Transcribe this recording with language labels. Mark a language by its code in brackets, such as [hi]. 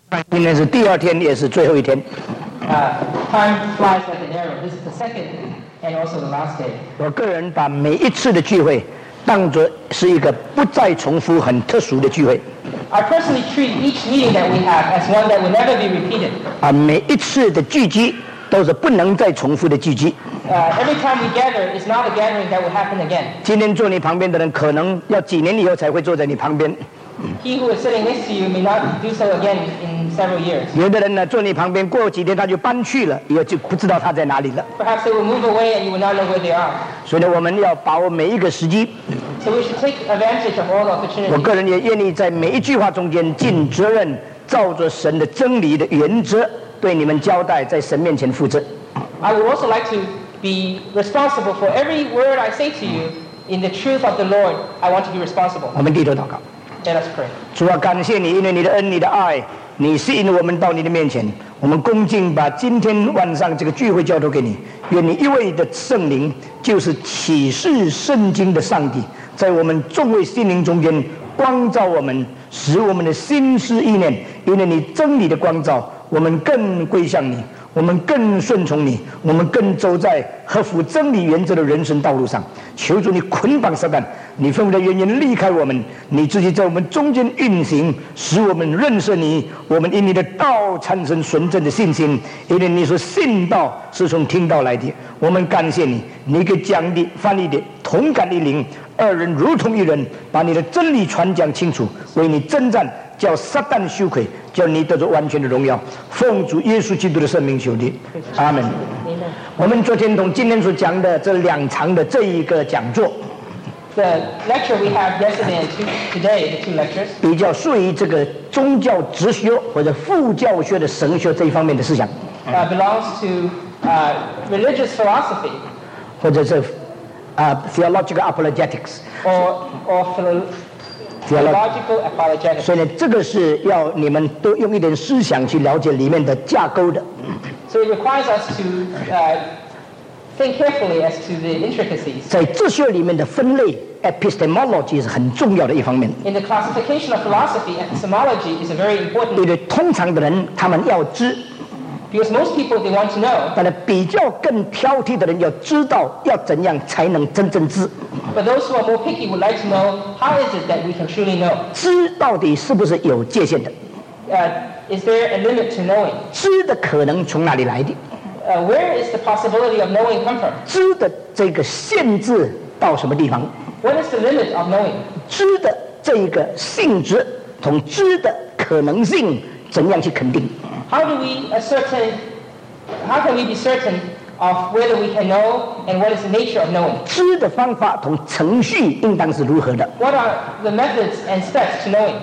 [zh] 今天是第二天，也是最后一天。 [en] Time flies like an arrow. This is the second and also the last day. [zh] 我个人把每一次的聚会当作是一个不再重复、很特殊的聚会。 [en] I personally treat each meeting that we have as one that will never be repeated. [zh] 每一次的聚集都是不能再重复的聚集。 [en] Every time we gather is not a gathering that will happen again. [zh] 今天坐你旁边的人可能要几年以后才会坐在你旁边。 [en] He who is sitting next to you may not do so again in several years. [zh] 有的人呢，坐你旁边过几天他就搬去了，以后就不知道他在哪里了。 [en] Perhaps they will move away and you will not know where they are. [zh] 所以我们要把握每一个时机。 [en] So we should take advantage of all opportunities. [zh] 我个人也愿意在每一句话中间尽责任，照着神的真理的原则对你们交代，在神面前负责。 [en] I would also like to be responsible for every word I say to you in the truth of the Lord. I want to be responsible. [zh] 我们低头祷告。 [en] Let us pray. [zh] 主啊，感谢你，因为你的恩，你的爱，你吸引我们到你的面前。我们恭敬把今天晚上这个聚会交托给你。愿你一位的圣灵，就是启示圣经的上帝，在我们众位心灵中间光照我们，使我们的心思意念，因为你真理的光照，我们更归向你，我们更顺从你，我们更走在合乎真理原则的人生道路上。求主你捆绑撒旦，你吩咐的原因离开我们，你自己在我们中间运行，使我们认识你，我们因你的道产生纯正的信心，因为你说信道是从听道来的。我们感谢你，你给讲的翻译的同感一灵，二人如同一人，把你的真理传讲清楚，为你征战，叫撒旦羞愧，叫你得着完全的荣耀。奉主耶稣基督的圣名求的，阿门。我们昨天同今天所讲的这两场的这一个讲座， [en] The lecture we have yesterday and today, the two lectures, [zh] 比较属于这个宗教哲学或者副教学的神学这一方面的思想。 [en] Belongs to religious philosophy, [zh] 或者是 [en] theological apologetics, or theological apologetics. [zh] 所以呢，这个是要你们多用一点思想去了解里面的架构的。 [en] So it requires us to think carefully as to the intricacies. [zh] 在哲学里面的分类 epistemology 是很重要的一方面。 [en] In the classification of philosophy, epistemology is a very important. [zh] 因为通常的人他们要知。 [en] Because most people they want to know. [zh] 但是比较更挑剔的人要知道要怎样才能真正知。 [en] But those who are more picky would like to know how is it that we can truly know. [zh] 知到底是不是有界限的？ [en] Is there a limit to knowing? [zh] 知的可能从哪里来的？ [en] Where is the possibility of knowing come from? [zh] 知的这个限制到什么地方？ [en] What is the limit of knowing? [zh] 知的这个性质同知的可能性怎样去肯定？ [en] How can we be certain of whether we can know and what is the nature of knowing? [zh] 知的方法同程序应当是如何的？ [en] What are the methods and steps to knowing?